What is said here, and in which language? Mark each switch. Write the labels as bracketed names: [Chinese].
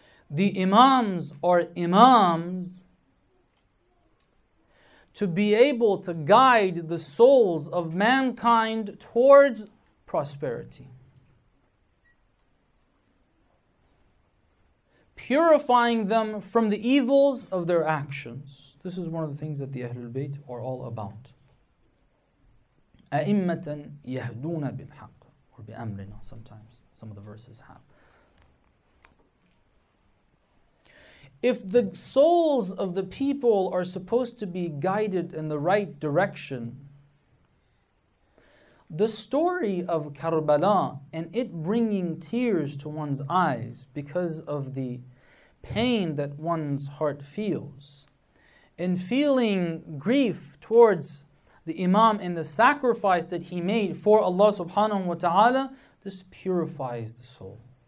[English] The imams are imams to be able to guide the souls of mankind towards prosperity. Purifying them from the evils of their actions. This is one of the things that the Ahlul Bayt are all about. [Arabic] أَئِمَّةً يَهْدُونَ بِالْحَقِّ [English] or [Arabic] بِأَمْرِنَا [English] sometimes. Some of the verses have. If the souls of the people are supposed to be guided in the right direction, the story of Karbala and it bringing tears to one's eyes because of the pain that one's heart feels, and feeling grief towards the Imam and the sacrifice that he made for Allah subhanahu wa ta'ala, this purifies the soul.